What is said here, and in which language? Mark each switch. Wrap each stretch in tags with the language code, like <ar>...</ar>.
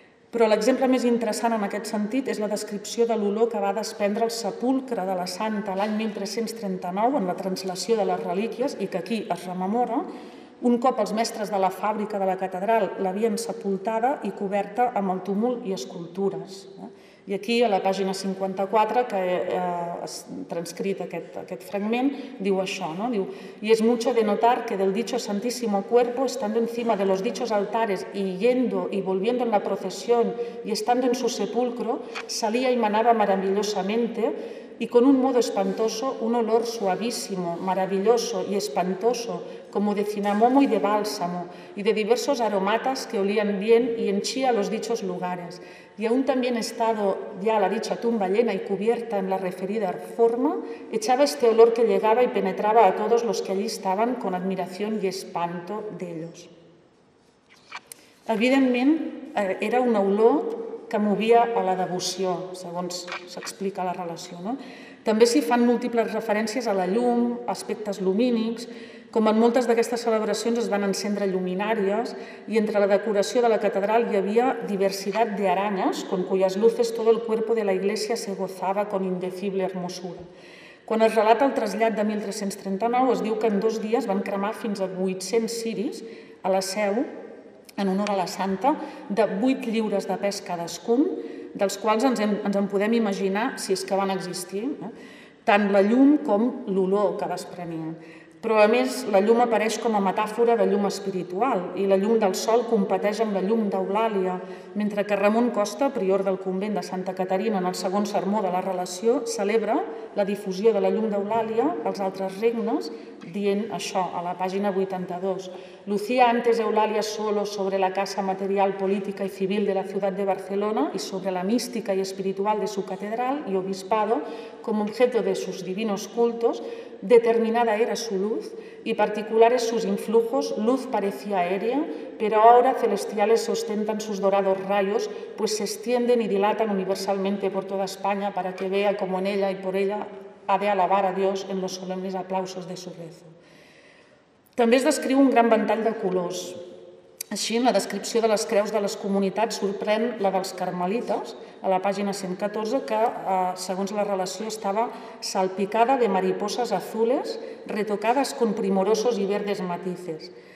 <ca>Però l'exemple més interessant en aquest sentit és la descripció de l'olor que va desprendre el sepulcre de la santa l'any 1339 en la translació de les relíquies i que aquí es rememora, un cop els mestres de la fàbrica de la catedral l'havien sepultada i coberta amb el túmul i escultures. I aquí, a la pàgina 54, que es transcrit aquest fragment, diu això, no?</ca> <es>Diu, y es mucho de notar que del dicho santísimo cuerpo, estando encima de los dichos altares y yendo y volviendo en la procesión y estando en su sepulcro, salía y manaba maravillosamente y con un modo espantoso, un olor suavísimo, maravilloso y espantoso, como de cinamomo y de bálsamo, y de diversos aromatas que olían bien y henchía los dichos lugares. Y aún también estado ya la dicha tumba llena y cubierta en la referida forma, echaba este olor que llegaba y penetraba a todos los que allí estaban con admiración y espanto de ellos.</es> <ca>Evidentment, era una olor que movia a la devoció, segons s'explica la relació, no? També s'hi fan múltiples referències a la llum, aspectes lumínics, com en moltes d'aquestes celebracions es van encendre lluminàries i entre la decoració de la catedral hi havia diversitat d'aranyes,</ca> <es>con cuyas luces todo el cuerpo de la iglesia se gozaba con indecible hermosura.</es> <ca>Quan es relata el trasllat de 1339, es diu que en dos dies van cremar fins a 800 ciris a la seu, en honor a la santa, de 8 lliures de pes cadascun, dels quals ens en podem imaginar si és que van existir, tant la llum com l'olor que desprenien. Però, a més, la llum apareix com a metàfora de llum espiritual i la llum del sol competeix amb la llum d'Eulàlia, mentre que Ramon Costa, prior del convent de Santa Caterina, en el segon sermó de la relació, celebra la difusió de la llum d'Eulàlia als altres regnes, dient això a la pàgina 82.</ca> <es>Lucía antes Eulàlia solo sobre la casa material,</es> <ca>política i civil de la ciutat de Barcelona</ca> <es>i sobre la mística i espiritual de su catedral i obispado com objeto de sus divinos cultos, determinada era su luz y particulares sus influjos, luz parecía aérea, pero ahora celestiales se ostentan sus dorados rayos, pues se extienden y dilatan universalmente por toda España para que vea como en ella y por ella ha de alabar a Dios en los solemnes aplausos de su rezo.</es> <ca>També es descriu un gran ventall de colors. Així, en la descripció de les creus de les comunitats sorprèn la dels carmelites, a la pàgina 114, que, segons la relació, estava salpicada de</ca> <es>mariposas azules retocades con primorosos i verdes matices.</es>